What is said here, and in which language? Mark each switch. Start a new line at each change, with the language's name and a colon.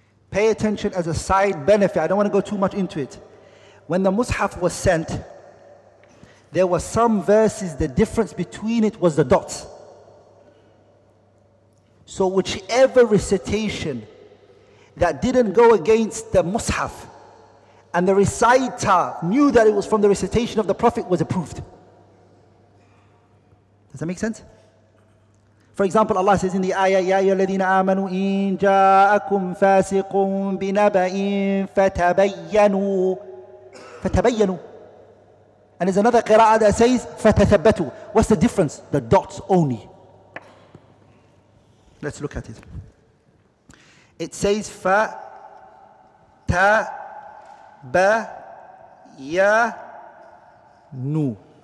English: Pay attention as a side benefit. I don't want to go too much into it. When the Mus'haf was sent, there were some verses, the difference between it was the dots. So whichever recitation that didn't go against the Mus'haf and the reciter knew that it was from the recitation of the Prophet was approved. Does that make sense? For example, Allah says in the ayah,
Arabic: يَا أَيُّهَا الَّذِينَ آمَنُوا إِن جَاءَكُمْ فَاسِقٌ بِنَبَإٍ فَتَبَيَّنُوا.
English: And there's another qira'a that says,
Arabic: فَتَثَبَّتُوا.
English: What's the difference? The dots only. Let's look at it. It says,
Arabic: فَتَبَيَّنُوا.